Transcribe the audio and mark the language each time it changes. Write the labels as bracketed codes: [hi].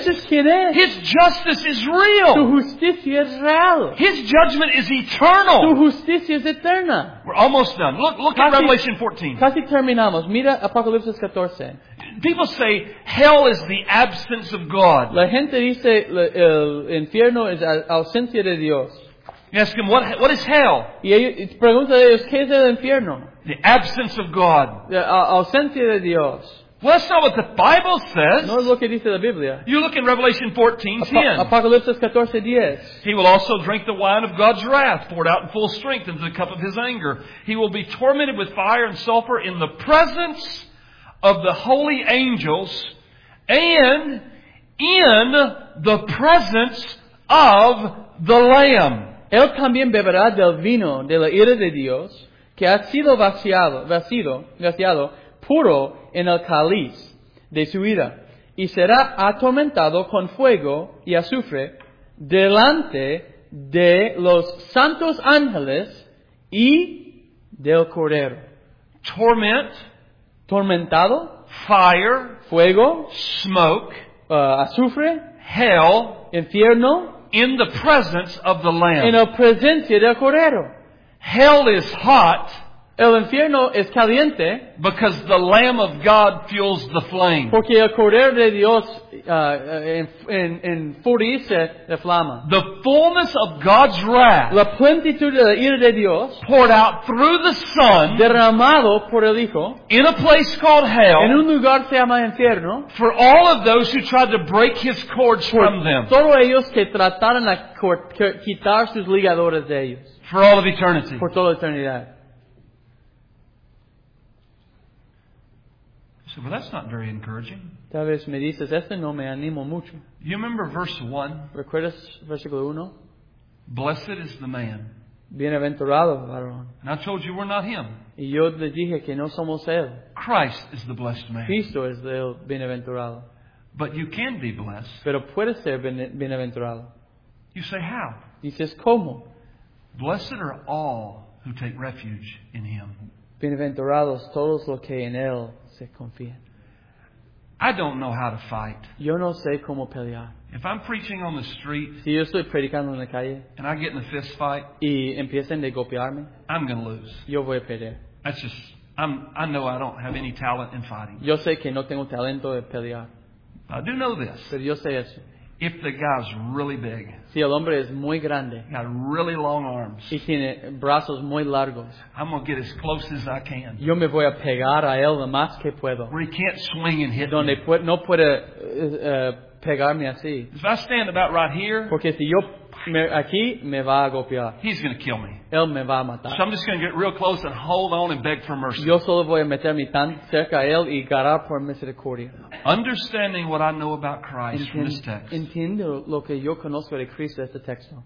[es] Ese es quien es. [en] His justice is real. [es] Su justicia es real. [en] His judgment is eternal. [es] Su justicia es eterna. [en] We're almost done. Look [es] casi, [en] at Revelation 14. [es] Casi terminamos. Mira Apocalipsis 14. [en] People say hell is the absence of God. [es] La gente dice el infierno es ausencia de Dios. [en] You ask them, what is hell? [es] Y ellos preguntan a ellos, ¿qué es el infierno? [en] The absence of God. [es] Ausencia de Dios. [en] Well, that's not what the Bible says. [es] No es lo que dice la Biblia. [en] You look in Revelation 14:10. [es] Apocalipsis 14:10. [en] He will also drink the wine of God's wrath, poured out in full strength into the cup of his anger. He will be tormented with fire and sulfur in the presence of the holy angels and in the presence of the Lamb. [es] Él también beberá del vino de la ira de Dios que ha sido vaciado puro en el cáliz de su ira y será atormentado con fuego y azufre delante de los santos ángeles y del Cordero. [en] Torment. [es] Tormentado, [en] fire, [es] fuego, [en] smoke, [es] azufre, [en] hell, [es] infierno, [en] in the presence of the Lamb. [es] En la presencia del Cordero. [en] Hell is hot. [es] El infierno es caliente. [en] Because the Lamb of God fuels the flame. [es] Porque el Cordero de Dios enfurece la flama. [en] The fullness of God's wrath. [es] La plenitud de la ira de Dios. [en] Poured out through the Son. [es] Derramado por el Hijo. [en] In a place called hell. [es] En un lugar se llama infierno. [en] For all of those who tried to break his cords from them. [es] Por todos ellos que trataron de quitar sus ligadores de ellos. [en] For all of eternity. [es] Por toda la eternidad. [en] So, well, that's not very encouraging. [es] Tal vez me dices, este no me animo mucho. [en] You remember verse 1? [es] ¿Recuerdas versículo 1? [en] Blessed is the man. [es] Bienaventurado, varón. [en] And I told you we're not him. [es] Y yo le dije que no somos él. [en] Christ is the blessed man. [es] Cristo es el bienaventurado. [en] But you can be blessed. [es] Pero puedes ser bienaventurado. [en] You say, how? [es] Dices, ¿cómo? [en] Blessed are all who take refuge in him. [es] Bienaventurados todos los que en él. [en] I don't know how to fight. [es] Yo no sé cómo pelear. [en] If I'm preaching on the street, [es] si yo estoy predicando en la calle, [en] and I get in a fist fight, [es] y empiezan de golpearme, [en] I'm going to lose. [es] Yo voy a perder. [en] That's just, I know I don't have any talent in fighting. [es] Yo sé que no tengo talento de pelear. [en] I do know this. [es] Pero yo sé eso. [en] If the guy's really big, [es] si el hombre es muy grande, [en] got really long arms, [es] y tiene brazos muy largos, [en] I'm gonna get as close as I can. [es] Yo me voy a pegar a él lo más que puedo. [en] Where he can't swing and hit [es] donde [en] me. [es] No puede pegarme así. [en] If I stand about right here, [es] porque si yo aquí me va a golpear, [en] he's gonna kill me. [es] Él me va a matar. [en] So I'm just gonna get real close and hold on and beg for mercy. [es] Yo solo voy a meterme tan cerca a él y garar por misericordia. [en] Understanding what I know about Christ from this text. [es] Entiendo lo que yo conozco de Cristo este texto.